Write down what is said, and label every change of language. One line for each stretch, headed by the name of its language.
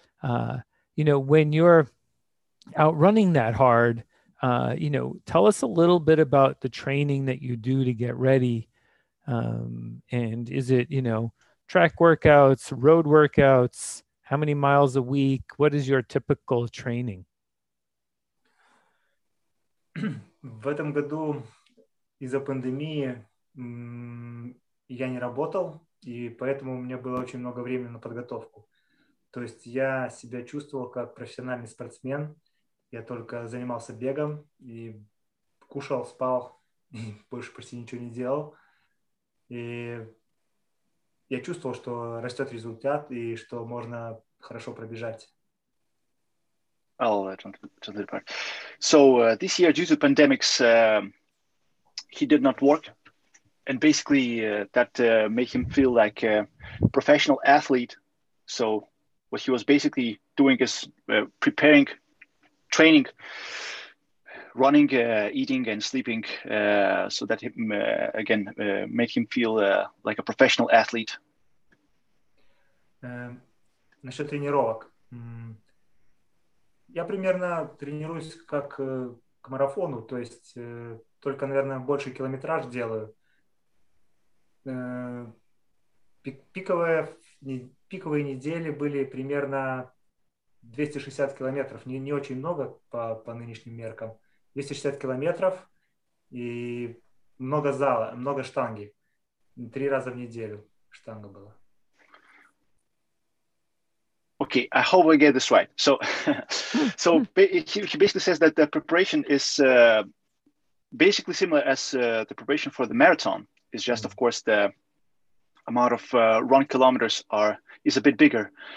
English: You know, when you're out running that hard, you know, tell us a little bit about the training that you do to get ready. And is it, you know, track workouts, road workouts? How many miles a week? What is your typical training?
Russian: В этом году из-за пандемии я не работал, и поэтому у меня было очень много времени на подготовку. То есть я себя чувствовал как профессиональный спортсмен. Я только занимался бегом и кушал, спал, и больше почти ничего не делал. И я чувствовал, что растет результат и что можно хорошо пробежать.
English: I'll turn to the part. So this year, due to pandemics, he did not work. And basically, that made him feel like a professional athlete. So what he was basically doing is preparing, training, running, eating, and sleeping, so that him again made him feel like a professional athlete.
Russian: Насчет тренировок. Я примерно тренируюсь как к марафону, то есть только, наверное, больше километраж делаю. Пиковые недели были примерно 260 километров, не очень много по нынешним меркам. 260 километров и много зала, много штанги. Три раза в неделю штанга была.
English: Okay, I hope I get this right. So he basically says that the preparation is basically similar as the preparation for the marathon. It's just, of course, the amount of run kilometers is a bit bigger.